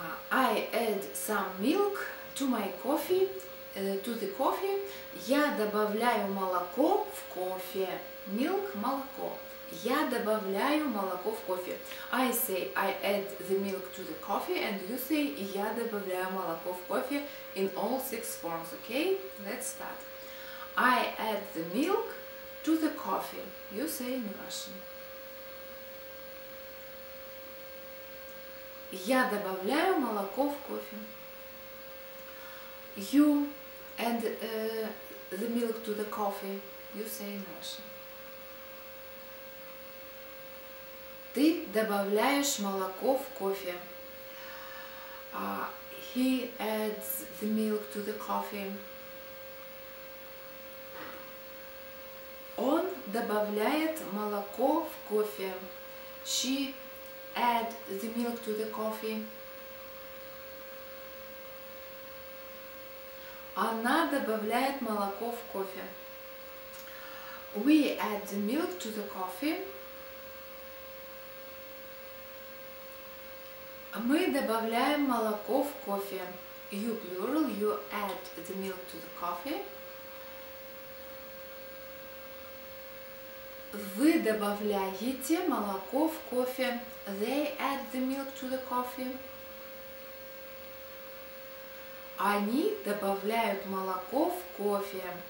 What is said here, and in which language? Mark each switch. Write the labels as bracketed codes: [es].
[en] I add some milk to my coffee, to the coffee. [ru] Я добавляю молоко в кофе. Milk, молоко. Я добавляю молоко в кофе. [en] I say I add the milk to the coffee, and you say [ru] я добавляю молоко в кофе [en] in all six forms. Okay, let's start. I add the milk to the coffee, you say in Russian. [ru] Я добавляю молоко в кофе. [en] You add the milk to the coffee, you say in Russian. [ru] Ты добавляешь молоко в кофе. [en] He adds the milk to the coffee. [ru] Он добавляет молоко в кофе. [en] She add the milk to the coffee. [ru] Она добавляет молоко в кофе. [en] We add the milk to the coffee. [ru] Мы добавляем молоко в кофе. [en] You plural, you add the milk to the coffee. [ru] Вы добавляете молоко в кофе. [en] They add the milk to the coffee. [ru] Они добавляют молоко в кофе.